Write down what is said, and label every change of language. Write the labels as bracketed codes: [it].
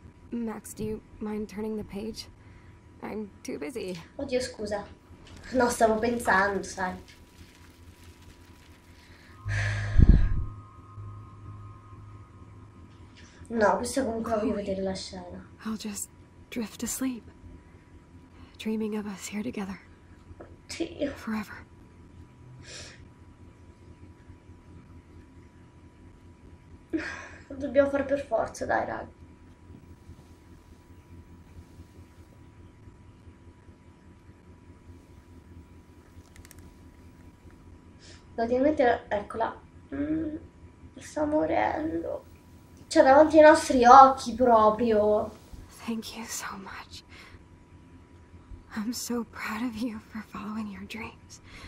[en] Max, do you mind turning the page? I'm too busy. [it] Oddio, scusa. No, stavo pensando, sai. No, questo comunque voglio vedere la scena. [en] I'll just drift to sleep, dreaming of us here together. [it] Oddio. [en] Forever. [it] Lo dobbiamo fare per forza, dai, raga. Praticamente, eccola. Sta morendo. Cioè, davanti ai nostri occhi, proprio. [en] Thank you so much. I'm so proud of you for following your dreams.